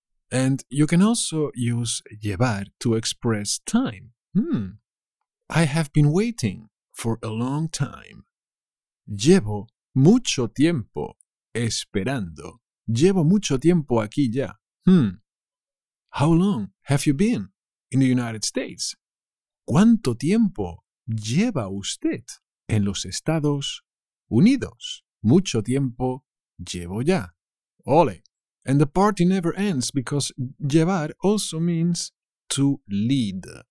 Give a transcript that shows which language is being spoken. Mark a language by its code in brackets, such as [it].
[en] And you can also use llevar to express time. I have been waiting for a long time. [es] Llevo mucho tiempo esperando. Llevo mucho tiempo aquí ya. [en] How long have you been in the United States? [es] ¿Cuánto tiempo lleva usted en los Estados Unidos? Mucho tiempo llevo ya. Ole. [en] And the party never ends because llevar also means to lead.